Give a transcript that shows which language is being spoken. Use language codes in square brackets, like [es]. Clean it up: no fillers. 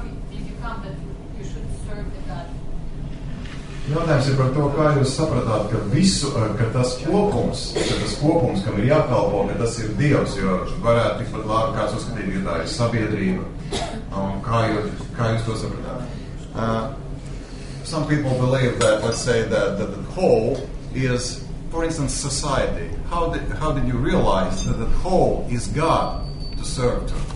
[en] Did you come that you should serve the God? [lv] Jautājums ir par to, kā jūs sapratāt, ka visu, ka tas kopums, kam ir jākalpo, ka tas ir Dievs, jo varētu tikpat labi kāds uzskatīt, ka tā ir sabiedrība. Kā jūs to sapratāt? [en] Some people believe that, let's say, that the whole is, for instance, society. How did you realize that the whole is God to serve to?